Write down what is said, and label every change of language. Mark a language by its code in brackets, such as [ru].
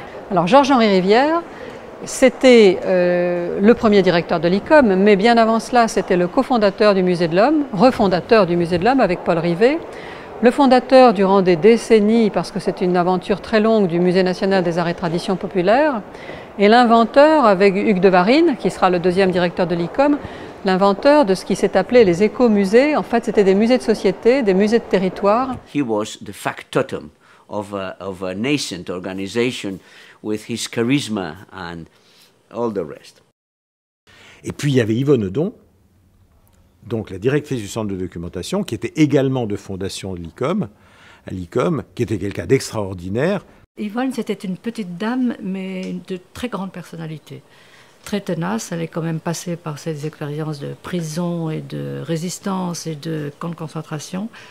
[fr] Alors Georges-Henri Rivière, c'était le premier directeur de l'ICOM, mais bien avant cela, c'était le cofondateur du Musée de l'Homme, refondateur du Musée de l'Homme avec Paul Rivet, le fondateur durant des décennies, parce que c'est une aventure très longue, du Musée national des arts et traditions populaires, et l'inventeur avec Hugues de Varine, qui sera le deuxième directeur de l'ICOM, l'inventeur de ce qui s'est appelé les écomusées. En fait, c'était des musées de société, des musées de territoire. [en] He was the factotum of a nascent organization with his charisma and all the rest. [fr] Et puis il y avait Yvonne Audon, donc la directrice du centre de documentation, qui était également de fondation de l'ICOM, à l'ICOM, qui était quelqu'un d'extraordinaire. Yvonne, c'était une petite dame, mais de très grande personnalité. Très tenace, elle est quand même passée par ses expériences de prison et de résistance et de camp de concentration.